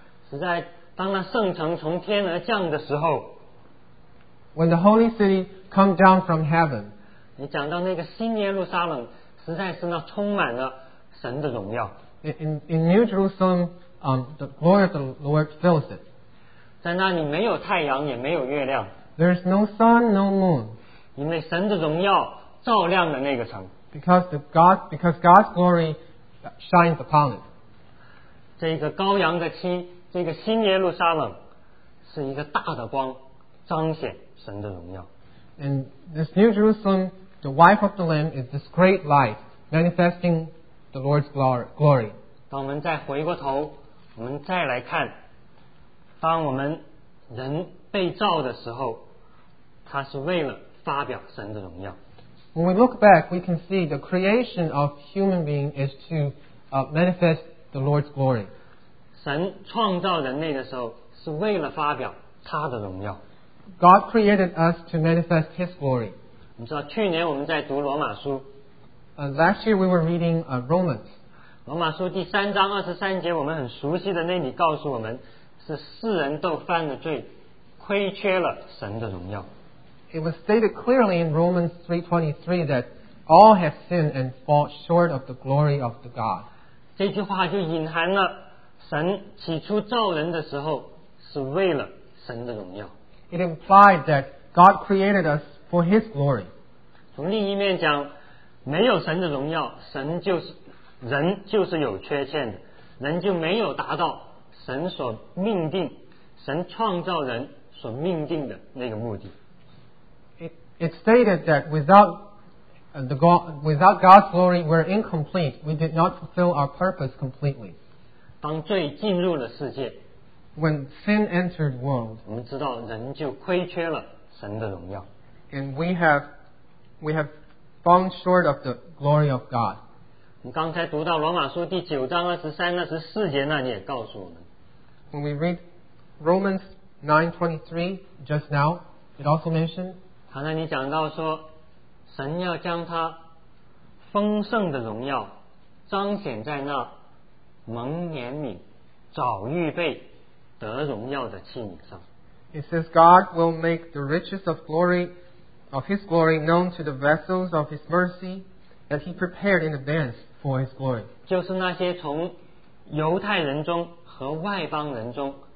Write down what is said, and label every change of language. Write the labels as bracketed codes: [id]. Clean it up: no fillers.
[zh] 是在当那圣城从天而降的时候。 [en] When the holy city come down from heaven. [zh] 你讲到那个新耶路撒冷实在是那充满了神的荣耀。 [en] In New Jerusalem, the glory of the Lord fills it. [zh] 在那里没有太阳，也没有月亮。 [en] There is no sun, no moon. [zh] 因为神的荣耀照亮了那个城。 [en] Because God's glory shines upon it. [zh] 这个羔羊的妻，这个新耶路撒冷，是一个大的光，彰显神的荣耀。 [en] And this New Jerusalem, the wife of the Lamb, is this great light manifesting the Lord's glory. [zh] 当我们再回过头，我们再来看，当我们人被造的时候，他是为了发表神的荣耀。 [en] When we look back, we can see the creation of human being is to manifest the Lord's glory. [zh] 神创造人类的时候是为了发表他的荣耀。 [en] God created us to manifest His glory. [zh] 我们知道去年我们在读罗马书。 [en] Last year we were reading Romans. [zh] 罗马书第三章二十三节，我们很熟悉的那里告诉我们，是世人都犯了罪，亏缺了神的荣耀。 [en] It was stated clearly in Romans 3:23 that all have sinned and fall short of the glory of the God. [zh] 这句话就隐含了神起初造人的时候是为了神的荣耀。 [en] It implied that God created us for His glory. [zh] 从另一面讲，没有神的荣耀，神就是人就是有缺陷的，人就没有达到神所命定，神创造人所命定的那个目的。 [en] It stated that without God's glory, we're incomplete. We did not fulfill our purpose completely. [zh] 当罪进入了世界 [en] ，When sin entered the world， [zh] 我们知道人就亏缺了神的荣耀。 [en] And we have falling short of the glory of God. [zh] 我们刚才读到罗马书第九章二十三、二十四节，那里也告诉我们。 [en] When we read Romans 9:23 just now, it also mentioned [ko] 하나님 [zh] 讲到说 神要将他丰盛的荣耀彰显在那蒙怜悯早预备得荣耀的器皿上. [en] It says God will make the riches of glory of His glory known to the vessels of His mercy that He prepared in advance for His glory. [zh] 就是那些从犹太人中和外邦人中